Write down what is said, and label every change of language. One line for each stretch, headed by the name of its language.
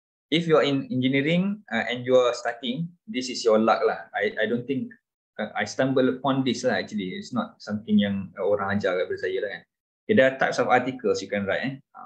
English: If you are in engineering and you are starting, this is your luck lah. I don't think I stumble upon this lah actually. It's not something
Malay: yang orang ajar daripada saya lah kan.
English: Okay, there are types of articles you can write.